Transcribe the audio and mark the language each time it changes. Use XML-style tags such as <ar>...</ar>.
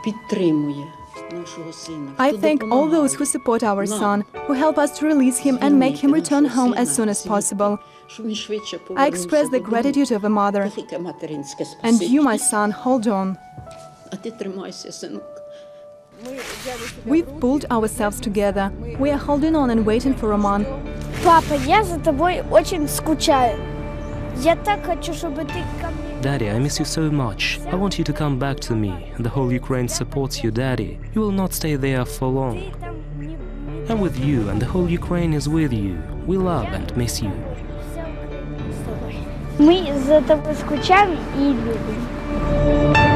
<en>I thank all those who support our son, who help us to release him and make him return home as soon as possible. I express the gratitude of a mother. And you, my son, hold on. We've pulled ourselves together. We are holding on and waiting for Roman.</en> <ru>Papa, я за тобой очень скучаю. Я так хочу, чтобы ты ко мне.</ru> <en>Daddy, I miss you so much. I want you to come back to me. The whole Ukraine supports you, Daddy. You will not stay there for long. I'm with you, and the whole Ukraine is with you. We love and miss you.</en> <uk>Ми за тобою скучаємо і любимо.</uk>